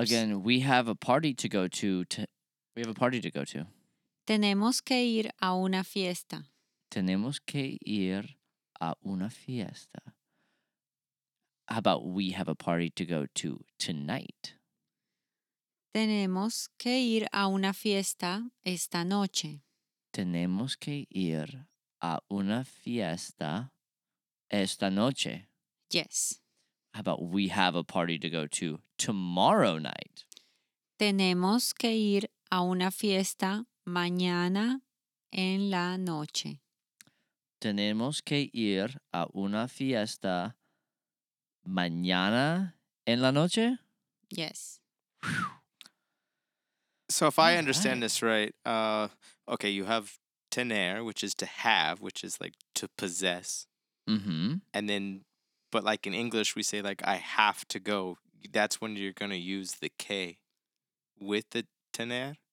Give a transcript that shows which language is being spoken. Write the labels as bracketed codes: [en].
[en] Again, we have a party to go to. We have a party to go to. [es] Tenemos que ir a una fiesta. Tenemos que ir a una fiesta. [en] How about we have a party to go to tonight? [es] Tenemos que ir a una fiesta esta noche. Tenemos que ir a una fiesta esta noche. [en] Yes. How about we have a party to go to tomorrow night? [es] Tenemos que ir a una fiesta mañana en la noche. Tenemos que ir a una fiesta mañana en la noche? [en] Yes. So if I understand this right, you have tener, which is to have, which is like to possess. Mm-hmm. And then, but like in English, we say like, I have to go. That's when you're going to use the K with the tener?